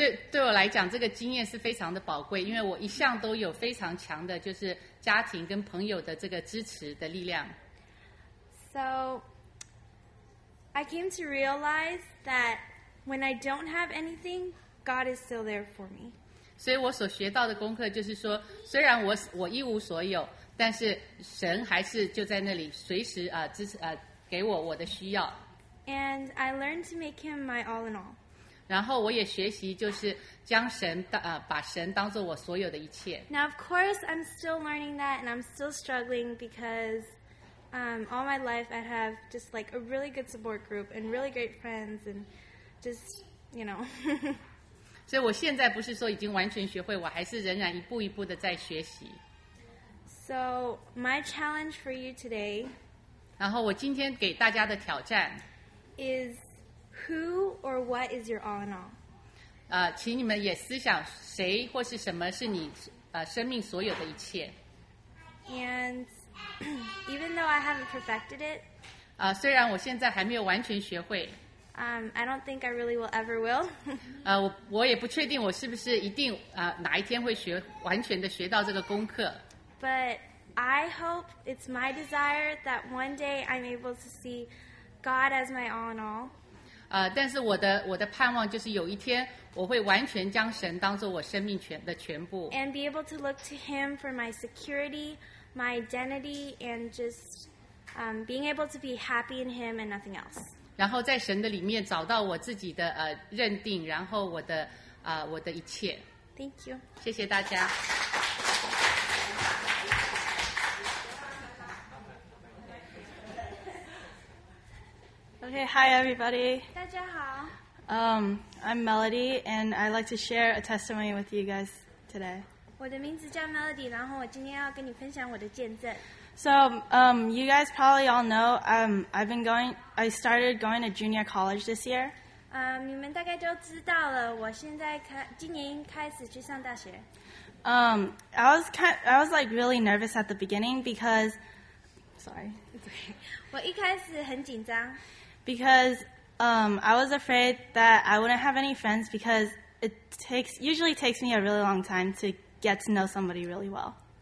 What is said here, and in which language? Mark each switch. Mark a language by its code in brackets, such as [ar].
[zh] 对我来讲，这个经验是非常的宝贵，因为我一向都有非常强的就是家庭跟朋友的这个支持的力量。 [en] So, I came to realize that when I don't have anything, God is still there for me. [zh] 所以我所学到的功课就是说，虽然我一无所有。但是神还是就在那里随时支持给我的需要。 [en] And I learned to make him my all in all. [zh] 然后我也学习就是将神把神当作我所有的一切。 [en] Now of course I'm still learning that and I'm still struggling because all my life I have just like a really good support group and really great friends and just you know. [zh] 所以我现在不是说已经完全学会，我还是仍然一步一步的在学习。 [en] So my challenge for you today. [zh] 然后我今天给大家的挑战 [en] is who or what is your all in all? [zh] 请你们也思想谁或是什么是你生命所有的一切。 [en] And even though I haven't perfected it. [zh] 虽然我现在还没有完全学会。 [en] I don't think I really will ever will. [zh] 我也不确定我是不是一定哪一天会学完全的学到这个功课。 [en] But I hope it's my desire that one day I'm able to see God as my all in all. [zh] 但是我的盼望就是有一天我会完全将神当作我生命全部。 [en] And be able to look to Him for my security, my identity, and just being able to be happy in Him and nothing else. [zh] 然后在神的里面找到我自己的认定，然后我的一切。 [en] Thank you. [zh] 谢谢大家。 [en] Okay, hi everybody. [zh] 大家好。 [en] I'm Melody, and I'd like to share a testimony with you guys today. [zh] 我的名字叫 Melody, 然后我今天要跟你分享我的见证。 [en] So you guys probably all know I started going to junior college this year. [zh] 你们大概都知道了，我现在今年开始去上大学。 [en] I was like really nervous at the beginning because, sorry, [zh] okay. 我一开始很紧张。 [en] Because I was afraid that I wouldn't have any friends because it usually takes me a really long time to get to know somebody really well.